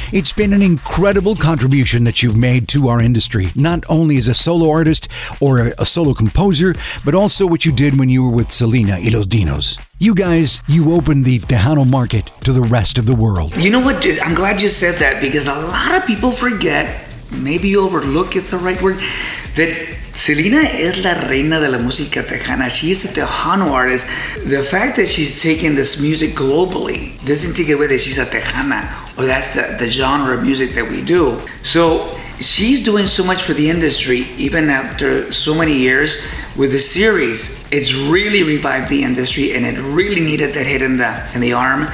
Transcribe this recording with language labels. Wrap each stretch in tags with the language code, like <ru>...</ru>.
<en>It's been an incredible contribution that you've made to our industry, not only as a solo artist or a solo composer, but also what you did when you were with Selena y Los Dinos. You guys, you opened the Tejano market to the rest of the world. You know what? I'm glad you said that, because a lot of people forget, maybe overlook if the right word, that</en> <es>Selena es la reina de la música tejana.</es> <en>She is a Tejano artist. The fact that she's taking this music globally doesn't take away that she's a Tejana, or that's the genre of music that we do. So she's doing so much for the industry, even after so many years with the series. It's really revived the industry, and it really needed that hit in the arm.</en>